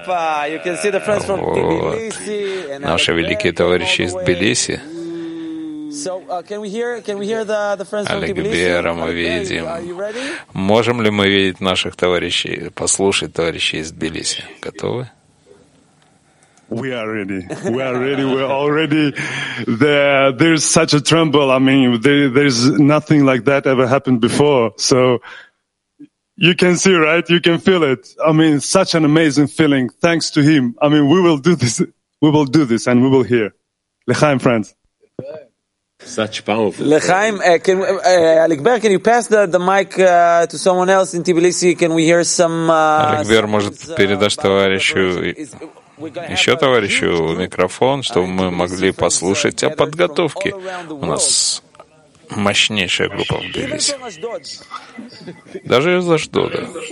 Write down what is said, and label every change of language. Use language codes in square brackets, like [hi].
[ru] Вот. Наши великие товарищи из Тбилиси. [en] So, can we hear the friends from Tbilisi? [ru] Олег, мы видим. Можем ли мы видеть наших товарищей, послушать товарищей из Тбилиси? Готовы? [en] We are ready. We are ready. We're already there. There's such a tremble. I mean, there's nothing like that ever happened before. So you can see, right? You can feel it. I mean, such an amazing feeling. Thanks to him. I mean, we will do this. We will do this, and we will hear. L'chaim, friends. Such powerful. L'chaim, can Alekber, can you pass the mic to someone else in Tbilisi? Can we hear some? [ru] Alekber, может передашь товарищу еще товарищу микрофон, чтобы мы могли послушать о подготовке. У нас мощнейшая группа в Тбилиси. Даже из Ашдода.